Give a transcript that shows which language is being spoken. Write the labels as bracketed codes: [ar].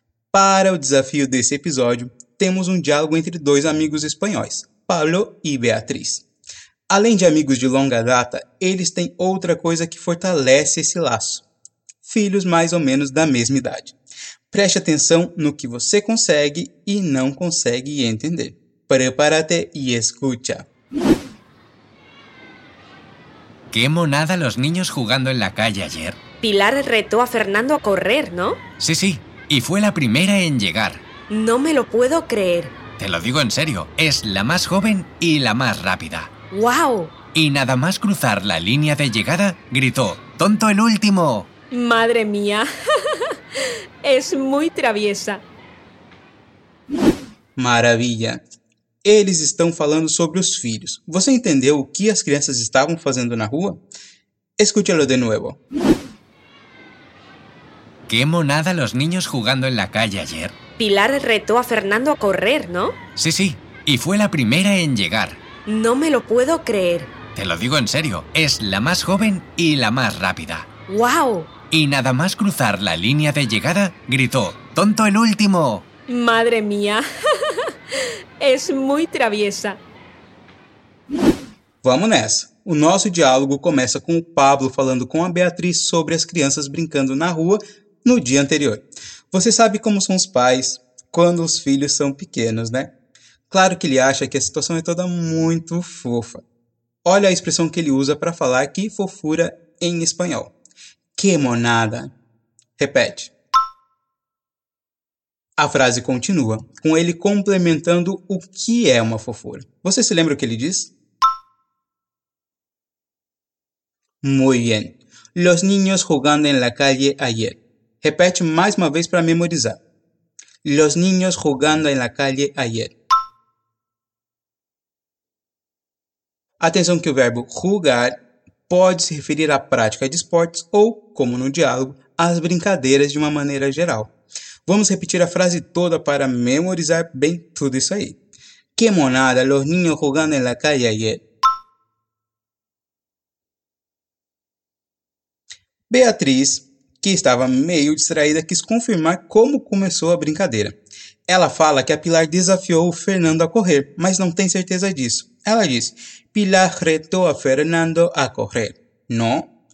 [pt] Para o desafio desse episódio, temos um diálogo entre dois amigos espanhóis, Pablo e Beatriz. Além de amigos de longa data, eles têm outra coisa que fortalece esse laço: filhos mais ou menos da mesma idade. Preste atenção no que você consegue e não consegue entender. [es] Prepárate e escucha. ¡Qué monada los niños jugando en la calle ayer! Pilar retó a Fernando a correr, ¿no? Sí, sí. Y fue la primera en llegar. No me lo puedo creer. Te lo digo en serio. Es la más joven y la más rápida. ¡Guau! Y nada más cruzar la línea de llegada, gritó: ¡Tonto el último! ¡Madre mía! Es muy traviesa. Maravilla. [pt] Eles estão falando sobre os filhos. Você entendeu o que as crianças estavam fazendo na rua? [es] Escúchalo de novo. Qué monada los niños jugando en la calle ayer. Pilar retó a Fernando a correr, ¿no? Sí, sí. Y fue la primera en llegar. No me lo puedo creer. Te lo digo en serio. Es la más joven y la más rápida. ¡Guau! Y nada más cruzar la línea de llegada, gritó: ¡Tonto el último! ¡Madre mía! Es muy traviesa. [pt] Vamos nessa. O nosso diálogo começa com o Pablo falando com a Beatriz sobre as crianças brincando na rua no dia anterior. Você sabe como são os pais quando os filhos são pequenos, né? Claro que ele acha que a situação é toda muito fofa. Olha a expressão que ele usa para falar que fofura em espanhol. [es] Que monada. [pt] Repete. A frase continua, com ele complementando o que é uma fofura. Você se lembra o que ele diz? [es] Muy bien. Los niños jugando en la calle ayer. [pt] Repete mais uma vez para memorizar. [es] Los niños jugando en la calle ayer. [pt] Atenção que o verbo jugar pode se referir à prática de esportes ou, como no diálogo, às brincadeiras de uma maneira geral. Vamos repetir a frase toda para memorizar bem tudo isso aí. [es] Que monada, los niños jugando en la calle ayer. [pt] Beatriz, que estava meio distraída, quis confirmar como começou a brincadeira. Ela fala que a Pilar desafiou o Fernando a correr, mas não tem certeza disso. Ela diz, Pilar retou a Fernando a correr. Não?